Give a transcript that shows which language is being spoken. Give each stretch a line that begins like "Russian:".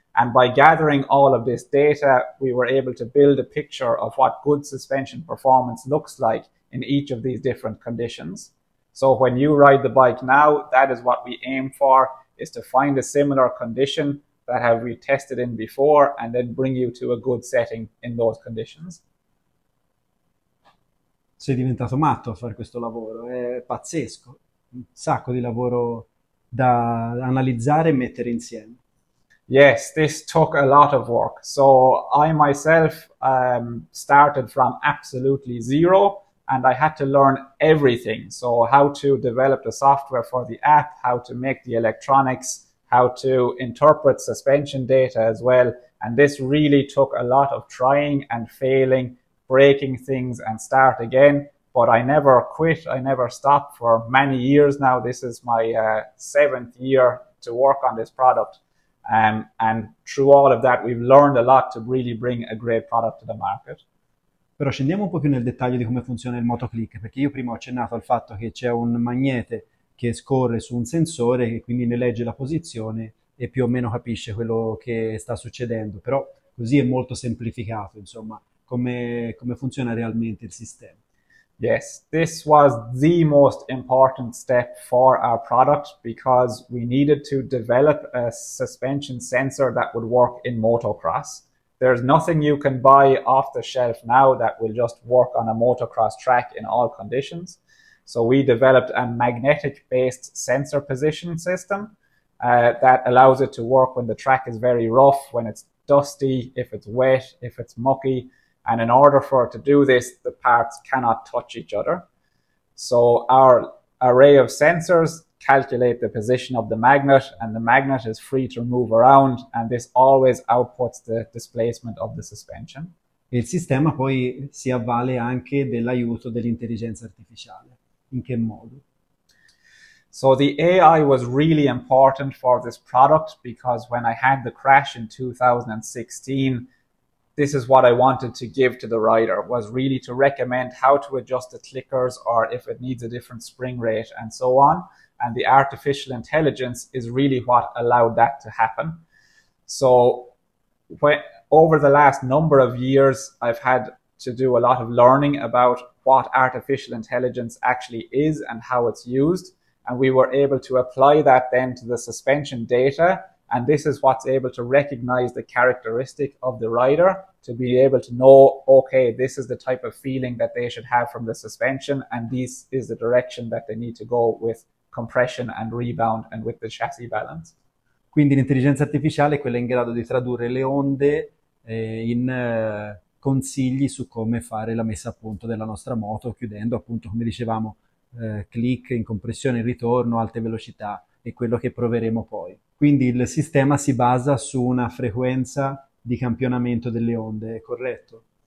English: And by gathering all of this data, we were able to build a picture of what good suspension performance looks like in each of these different conditions. So when you ride the bike now, that is what we aim for, is to find a similar condition that have we tested in before and then bring you to a good setting in those conditions.
Italian: Sei diventato matto a fare questo lavoro, è pazzesco, un sacco di lavoro da analizzare e mettere insieme.
English: Yes, this took a lot of work. So I myself started from absolutely zero and I had to learn everything. So how to develop the software for the app, how to make the electronics, how to interpret suspension data as well. And this really took a lot of trying and failing, breaking things and start again. But I never quit. I never stopped for many years now. This is my 7th year to work on this product. And through all of that, we've learned a lot to really bring a great product to the market.
Italian: Però scendiamo un po' più nel dettaglio di come funziona il motoclick, perché io prima ho accennato al fatto che c'è un magnete che scorre su un sensore che quindi ne legge la posizione e più o meno capisce quello che sta succedendo, però così è molto semplificato, insomma, come funziona realmente il sistema.
English: Yes, this was the most important step for our product because we needed to develop a suspension sensor that would work in motocross. There's nothing you can buy off the shelf now that will just work on a motocross track in all conditions. So we developed a magnetic-based sensor position system that allows it to work when the track is very rough, when it's dusty, if it's wet, if it's mucky. And in order for it to do this, the parts cannot touch each other. So our array of sensors calculate the position of the magnet, and the magnet is free to move around, and this always outputs the displacement of the suspension.
Italian: Il sistema poi si avvale anche dell'aiuto dell'intelligenza artificiale. In che modo?
English: So the AI was really important for this product because when I had the crash in 2016, this is what I wanted to give to the rider, was really to recommend how to adjust the clickers or if it needs a different spring rate and so on. And the artificial intelligence is really what allowed that to happen. So when, over the last number of years, I've had to do a lot of learning about what artificial intelligence actually is and how it's used. And we were able to apply that then to the suspension data. And this is what's able to recognize the characteristic of the rider to be able to know, okay, this is the type of feeling that they should have from the suspension. And this is the direction that they need to go with compression and rebound and with the chassis balance.
Italian: Quindi l'intelligenza artificiale è quella in grado di tradurre le onde in consigli su come fare la messa a punto della nostra moto, chiudendo appunto, come dicevamo, click in compressione, in ritorno, alte velocità e quello che proveremo poi. Quindi il sistema si basa su una frequenza di campionamento delle onde, è corretto?